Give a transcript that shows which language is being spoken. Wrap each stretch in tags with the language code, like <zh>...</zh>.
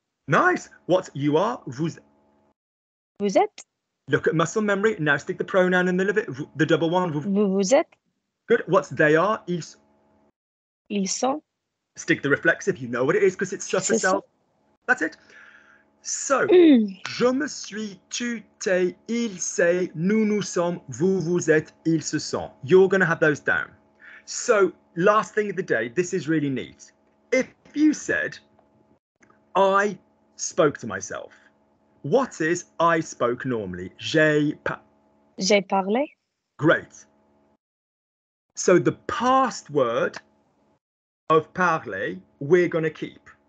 <en>Nice. What's you are? Vous.</en> <fr>Vous êtes.</fr> <en>Look at muscle memory. Now stick the pronoun in the middle of it, the double one.</en> <fr>Vous êtes.</fr> <en>Good. What's they are? Ils.</en> <fr>Ils sont.</fr> <en>Stick the reflexive. You know what it is because it's just a self. That's it.</en> <fr>So, je me suis, tu t'es, il sait, nous nous sommes, vous vous êtes, ils se sont.</fr> <en>You're going to have those down. So, last thing of the day, this is really neat. If you said, I spoke to myself, what is I spoke normally?</en> <fr>J'ai parlé.</fr> <en>Great. So, the past word of parler, we're going to keep.</en>